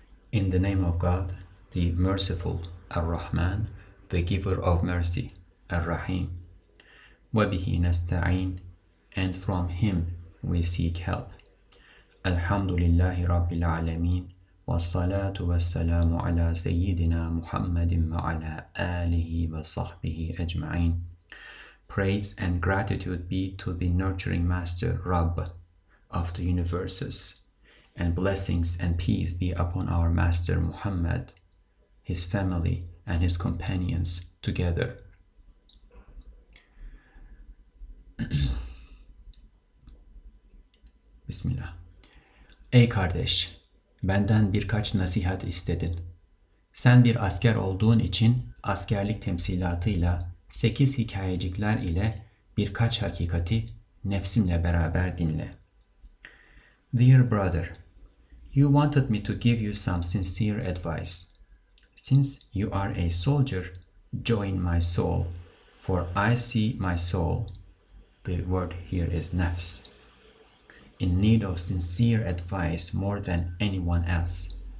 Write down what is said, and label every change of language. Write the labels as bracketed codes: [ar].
[en] In the name of God, the Merciful, Ar-Rahman, the Giver of Mercy, Ar-Rahim. [ar] وَبِهِ نَسْتَعِينَ [en] And from Him we seek help. [ar] الحمد لله رب العالمين والصلاة والسلام على سيدنا محمد وعلى آله وصحبه أجمعين [en] Praise and gratitude be to the Nurturing Master, Rabb, of the Universes. And blessings and peace be upon our Master Muhammad, his family, and his companions together. [ar] Bismillah. [tr] Ey kardeş, benden birkaç nasihat istedin. Sen bir asker olduğun için askerlik temsilatıyla, 8 hikayecikler ile birkaç hakikati nefsimle beraber dinle. [en] Dear brother, You wanted me to give you some sincere advice. Since you are a soldier, join my soul, for I see my soul, the word here is nafs, in need of sincere advice more than anyone else.